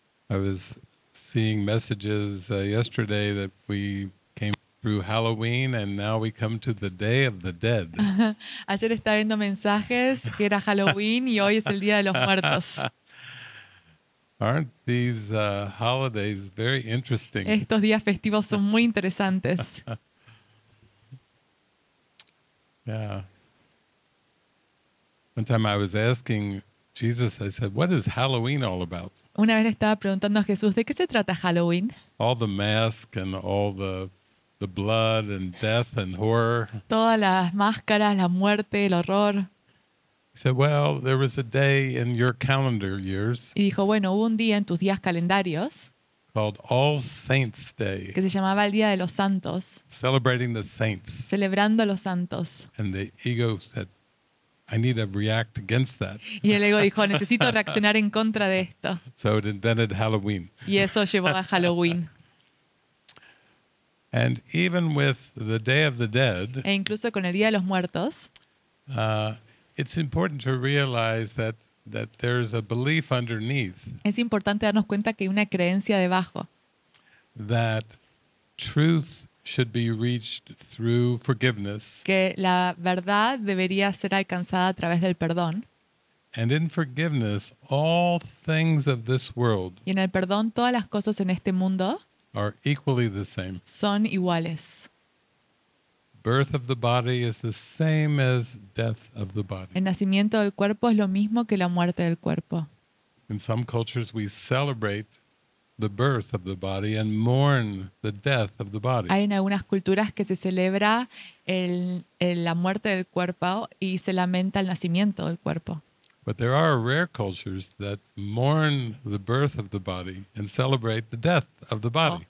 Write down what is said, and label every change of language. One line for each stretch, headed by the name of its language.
English: I was seeing messages yesterday that we came through Halloween and now we come to the Day of the Dead.
Spanish: Ayer estaba viendo mensajes que era Halloween y hoy es el Día de los Muertos.
English: Aren't these holidays very interesting?
Spanish: Estos días festivos son muy interesantes.
English: Yeah. One time I was asking Jesus, I said, what is Halloween all about?
Spanish: Una vez estaba preguntando a Jesús, ¿de qué se trata Halloween?
English: All the masks and all the blood and death and horror.
Spanish: Todas las máscaras, la muerte, el horror.
English: He said, well, there was a day in your calendar years.
Spanish: Y dijo, bueno, hubo un día en tus días calendarios.
English: Called All Saints Day.
Spanish: Que se llamaba el Día de los Santos.
English: Celebrating the saints.
Spanish: Celebrando los santos.
English: And the ego said, I need to react against that.
Spanish: Y el ego dijo, necesito reaccionar en contra de esto.
English: So it invented Halloween.
Spanish: Y eso llevó a Halloween.
English: And even with the Day of the Dead,
Spanish: e incluso con el Día de los Muertos,
English: it's important to realize that there's a belief underneath.
Spanish: Es importante darnos cuenta que hay una creencia debajo.
English: That truth should be reached through forgiveness.
Spanish: Que la verdad debería ser alcanzada a través del perdón.
English: And in forgiveness, all things of this world.
Spanish: Y en el perdón, todas las cosas en este mundo.
English: Are equally the same.
Spanish: Son iguales.
English: Birth of the body is the same as death of the body.
Spanish: El nacimiento del cuerpo es lo mismo que la muerte del cuerpo.
English: In some cultures, we celebrate the birth of the body and mourn the death of the body.
Spanish: Hay en algunas culturas que se celebra la muerte del cuerpo y se lamenta el nacimiento del cuerpo.
English: But there are rare cultures that mourn the birth of the body and celebrate the death of the body.